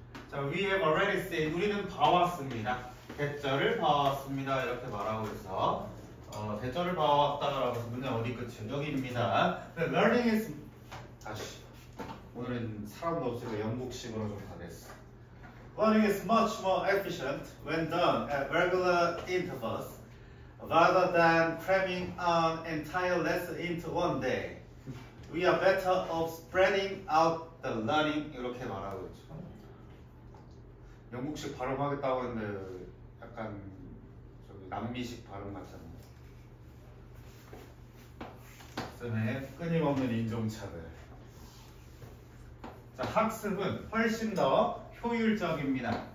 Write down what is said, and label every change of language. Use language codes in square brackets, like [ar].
[ko] 자, [en] we have already said, [ko] 우리는 봐왔습니다. 대절을 봐왔습니다. 이렇게 말하고 있어. 대절을 봐왔다라고 해서 문장 어디 끝이죠? 여기입니다. [en] Learning is... [ko] 다시. 오늘은 사람도 없으니까 영국식으로 좀 다 됐어. [en] Learning is much more efficient when done at regular intervals rather than cramming an entire lesson into one day. We are better off spreading out the learning. [ko] 이렇게 말하고 있죠. 영국식 발음하겠다고 했는데 약간 저기 남미식 발음 같잖아요. 쌤의 끊임없는 인종차별. 자, 학습은 훨씬 더 효율적입니다.